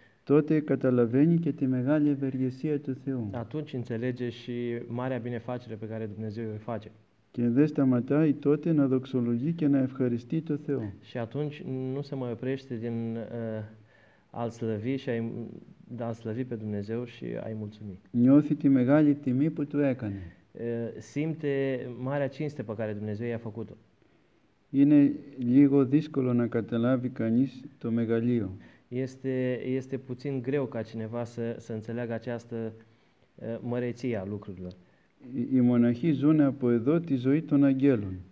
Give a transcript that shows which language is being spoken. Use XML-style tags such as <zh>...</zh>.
<el>Τότε καταλαβαίνει και τη μεγάλη ευεργεσία του Θεού.</el> <ro>Atunci înțelege și marea binefacere pe care Dumnezeu îi face.</ro> <el>Και δεν σταματάει τότε να δοξολογεί και να ευχαριστεί το Θεό.</el> <ro>Și atunci nu se mai oprește din a-L slăvi și a-L slăvi pe Dumnezeu și a-I mulțumi.</ro> <el>Νιώθει τη μεγάλη τιμή που του έκανε.</el> <ro>Simte marea cinste pe care Dumnezeu i-a făcut-o.</ro> <el>Είναι λίγο δύσκολο να καταλάβει κανείς το μεγαλείο.</el> <ro>Este puțin greu ca cineva să înțeleagă această măreție a lucrurilor.</ro> <el>Οι μοναχοί ζουν από εδώ τη ζωή των αγγέλων.</el>